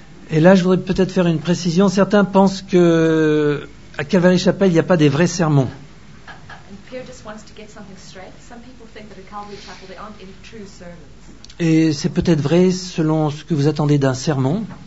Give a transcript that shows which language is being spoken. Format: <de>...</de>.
<fr>Et là, je voudrais peut-être faire une précision. Certains pensent que à Calvary Chapel, il n'y a pas des vrais sermons.</fr> <en>And Pierre just wants to get something straight. Some people think that at Calvary Chapel, there aren't any true sermons.</en> <fr>Et c'est peut-être vrai selon ce que vous attendez d'un sermon.</fr>